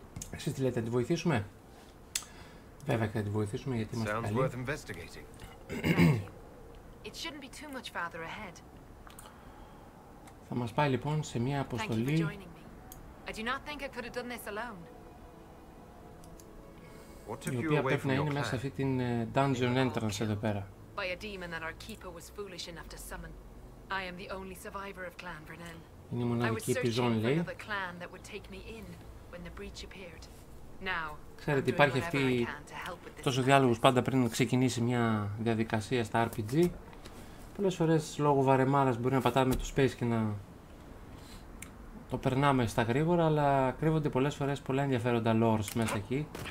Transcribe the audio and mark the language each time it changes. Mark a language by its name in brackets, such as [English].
[Greek] Εσείς τι λέτε, να τη βοηθήσουμε? Βέβαια και θα τη βοηθήσουμε, γιατί είμαστε καλοί. [English] It shouldn't be too much farther ahead. [Greek] Θα μας πάει λοιπόν σε μια αποστολή. [English] I do not think I could have done this alone. [Greek] Η οποία πρέπει να είναι μέσα σε αυτή την [English] dungeon entrance [Greek] εδώ πέρα. [English] By a demon that our keeper was foolish enough to summon. I am the only survivor of Clan Vernel. I was searching for another clan that would take me in when the breach appeared. Now, [Greek] ξέρετε, υπάρχει αυτή τόσο διάλογος πάντα πριν ξεκινήσει μια διαδικασία στα RPG. Πολλές φορές λόγω βαρεμάρας μπορεί να πατάμε το space και να το περνάμε στα γρήγορα, αλλά κρύβονται πολλές φορές πολλά ενδιαφέροντα lores μέσα εκεί.